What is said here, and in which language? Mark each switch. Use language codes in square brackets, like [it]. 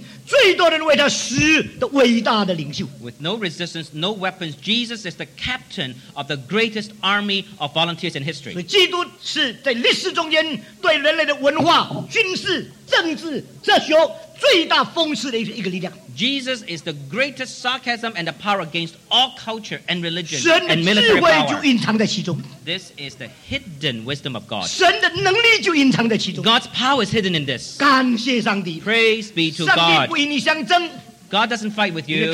[zh] 基督手无寸铁，毫无反抗的结果，成了历史历代最多志愿军、最多人为他死的伟大的领袖。 [en] With no resistance, no weapons, Jesus is the captain of the greatest army of volunteers in history. [zh] 基督是在历史中间对人类的文化、军事、政治、哲学最大讽刺的一个力量。 [en] Jesus is the greatest sarcasm and the power against all culture and religion and military power. This is the hidden wisdom of God. God's power is hidden in this. Praise be to God. God doesn't fight with you.